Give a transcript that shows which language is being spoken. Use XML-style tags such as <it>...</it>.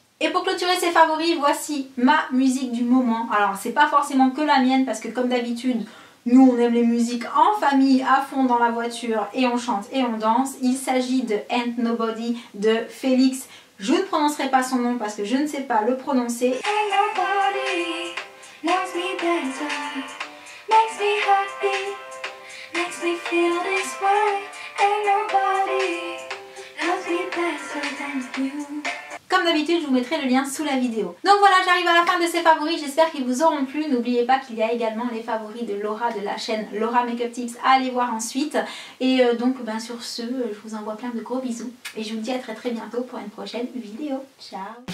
<fr>Et pour clôturer ces favoris, voici ma musique du moment. Alors, c'est pas forcément que la mienne parce que comme d'habitude, nous, on aime les musiques en famille, à fond dans la voiture et on chante et on danse. Il s'agit de Ain't Nobody de Félix. Je ne prononcerai pas son nom parce que je ne sais pas le prononcer.</fr> <en>Ain't nobody knows me better, makes me happy, makes me feel this way. Ain't nobody knows me better than you.</en> <fr>Comme d'habitude, je vous mettrai le lien sous la vidéo. Donc voilà, j'arrive à la fin de ces favoris. J'espère qu'ils vous auront plu. N'oubliez pas qu'il y a également les favoris de Laura de la chaîne Laura Makeup Tips à aller voir ensuite. Et donc, ben sur ce, je vous envoie plein de gros bisous. Et je vous dis à très très bientôt pour une prochaine vidéo. Ciao !</fr>